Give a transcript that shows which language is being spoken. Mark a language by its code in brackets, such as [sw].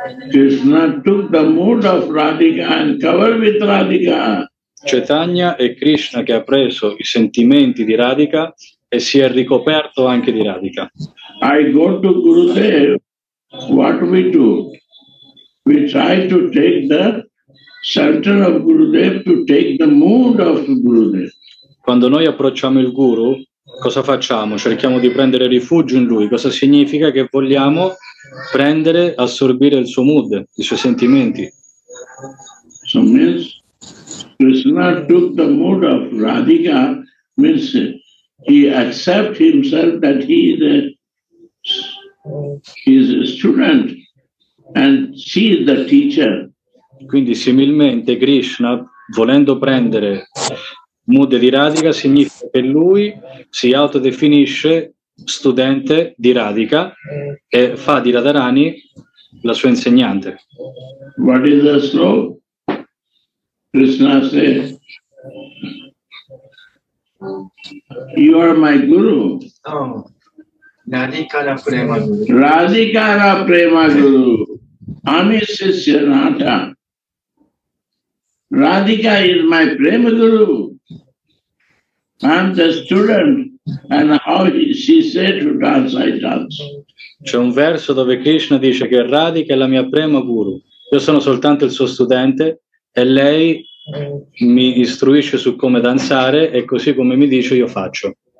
[en] Krishna took the mood of Radhika and covered with Radhika. [it] Chaitanya è Krishna che ha preso i sentimenti di Radhika e si è ricoperto anche di Radhika. [en] I go to Gurudev, what we do? We try to take the shelter of Gurudev to take the mood of Gurudev. [it] Quando noi approcciamo il Guru, cosa facciamo? Cerchiamo di prendere rifugio in lui. Cosa significa? Che vogliamo prendere, assorbire il suo mood, i suoi sentimenti. [en] So means Krishna took the mood of Radhika, means he accepts himself that he is a student and she is the teacher. [it] Quindi similmente Krishna, volendo prendere mood di Radhika, significa che lui si autodefinisce studente di Radhika e fa di Radharani la sua insegnante. [en] What is the slope? Krishna says, you are my guru. Oh. [bn] Radhika ra prema guru. Ami sishya nata. [en] Radhika is my prema guru. I'm the student, and how she said to dance, I dance. [it] C'è un verso dove Krishna dice che Radhika è la mia prema guru. Io sono soltanto il suo studente e lei mi istruisce su come danzare e così come mi dice io faccio.